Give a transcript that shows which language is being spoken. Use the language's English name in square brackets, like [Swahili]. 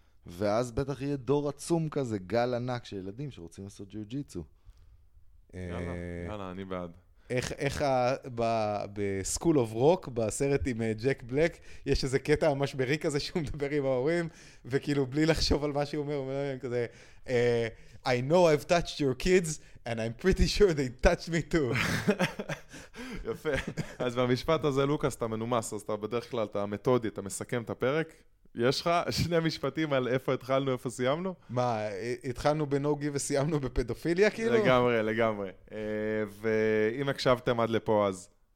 [Hebrew] ואז בטח יהיה דור עצום כזה, גל ענק של ילדים שרוצים לעשות ג'יוג'יצו. יאללה, אני בעד. איך בסקול אוף רוק, בסרט עם ג'ק בלק, יש איזה קטע המשברי כזה שהוא מדבר עם ההורים, וכאילו בלי לחשוב על מה שהוא אומר, הוא אומר להם כזה... [English] I know I've touched your kids, and I'm pretty sure they touched me too. [Hebrew] יפה. אז במשפט הזה, לוקס, אתה מנומס, אז אתה בדרך כלל, אתה מתודי, אתה מסכם את הפרק. יש לך שני משפטים על איפה התחלנו, איפה סיימנו? מה, התחלנו בנוגי וסיימנו בפדופיליה, כאילו? לגמרי, לגמרי. ואם הקשבתם עד לפה, אז...